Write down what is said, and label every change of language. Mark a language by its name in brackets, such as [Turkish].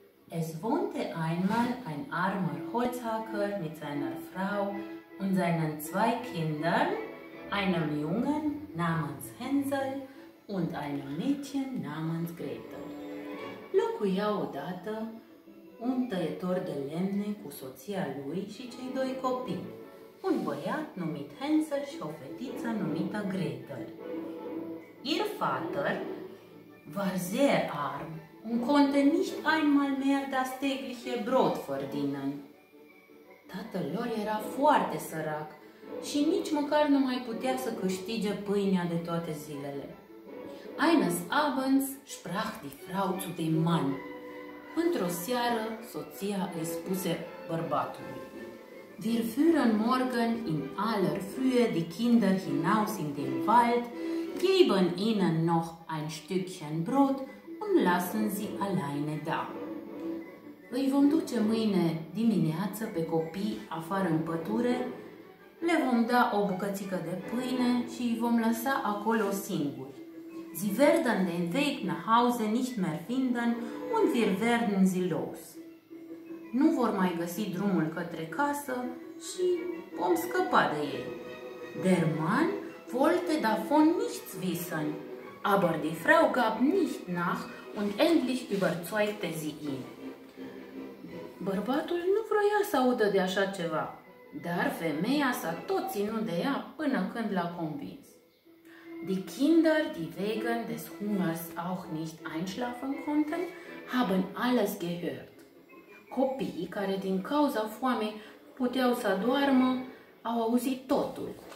[German] Es wohnte einmal ein armer Holzhacker mit seiner Frau und seinen zwei Kindern, einem Jungen namens Hänsel und einem Mädchen namens Gretel. [Romanian] Locuia odată un tăietor de lemne cu soția lui și cei doi copii, un băiat numit Hänsel și o fetiță numită Gretel. [German] Ihr Vater war sehr arm und konnte nicht einmal mehr das tägliche Brot verdienen. [Romanian] Tatăl lor era foarte sărac și nici măcar nu mai putea să câștige pâinea de toate zilele. [German] Eines Abends sprach die Frau zu dem Mann. [Romanian] Într-o seară, soția îi spuse bărbatului: [German] Wir führen morgen in aller Frühe die Kinder hinaus in den Wald, geben ihnen noch ein Stückchen Brot und lassen sie alleine da. [Romanian] Îi vom duce mâine dimineață pe copii afară în pădure, le vom da o bucățică de pâine și îi vom lăsa acolo singuri. [German] Sie werden den Weg nach Hause nicht mehr finden und wir werden sie los. [Romanian] Nu vor mai găsi drumul către casă și vom scăpa de ei. [German] Der Mann wollte davon nichts wissen, aber die Frau gab nicht nach und endlich überzeugte sie ihn. [Romanian] Bărbatul nu vroia să audă de așa ceva, dar femeia s-a tot ținut de ea până când l-a convins. [German] Die Kinder, die wegen des Hungers auch nicht einschlafen konnten, haben alles gehört. [Romanian] Copiii care din cauza foamei puteau să doarmă au auzit totul.